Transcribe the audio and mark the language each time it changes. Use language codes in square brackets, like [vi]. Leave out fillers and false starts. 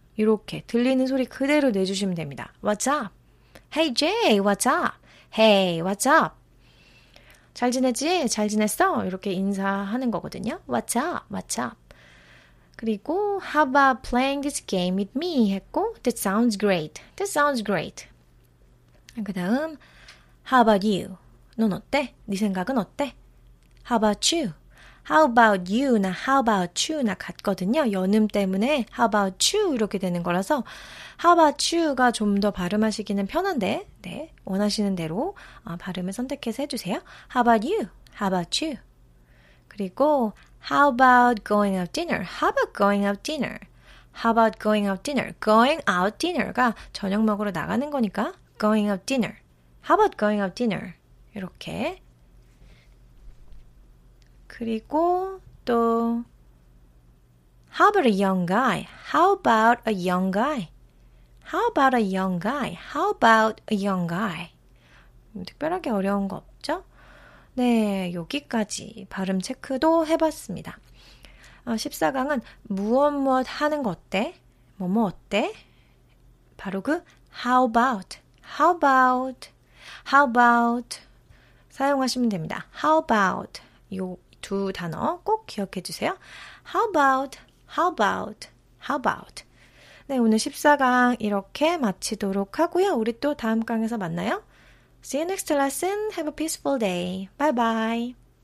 [ko] 이렇게 들리는 소리 그대로 내주시면 됩니다. [en] What's up? Hey Jay, what's up? Hey, what's up? [ko] 잘 지냈지? 잘 지냈어? 이렇게 인사하는 거거든요. [en] What's up? What's up? 그리고 How about playing this game with me? 했고 That sounds great. That sounds great. [ko] 그 다음 [en] How about you? [ko] 넌 어때? 네 생각은 어때? [en] How about you? How about you? [ko] 나 [en] How about you? [ko] 나 같거든요. 연음 때문에 [en] How about you? [ko] 이렇게 되는 거라서 [en] How about you? [ko] 가 좀 더 발음하시기는 편한데 네, 원하시는 대로 발음을 선택해서 해주세요. [en] How about you? How about you? 그리고 How about going out dinner? How about going out dinner? How about going out dinner? Going out dinner?가 [ko] 저녁 먹으러 나가는 거니까 [en] Going out dinner. How about going out dinner? [ko] 이렇게 그리고 또 [en] How about a young guy? How about a young guy? How about a young guy? How about a young guy? [ko] 특별하게 어려운 거 없죠? 네, 여기까지 발음 체크도 해봤습니다. 14강은 무엇무엇 하는 거 어때? 뭐뭐 어때? 바로 그 [en] How about? How about? How about? [ko] 사용하시면 됩니다. [en] How about? [ko] 요 두 단어 꼭 기억해 주세요. [en] How about? How about? How about? [ko] 네, 오늘 14강 이렇게 마치도록 하고요. 우리 또 다음 강에서 만나요. [en] See you next lesson. Have a peaceful day. Bye bye.